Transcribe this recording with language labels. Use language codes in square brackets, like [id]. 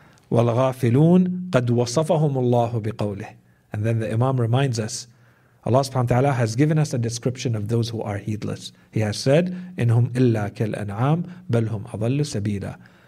[ar] والغافلون قد وصفهم الله بقوله. [en] And then the Imam reminds us, Allah subhanahu wa ta'ala has given us a description of those who are heedless. He has said, [ar] إنهم إلا كالأنعام بل هم أضل سبيلا.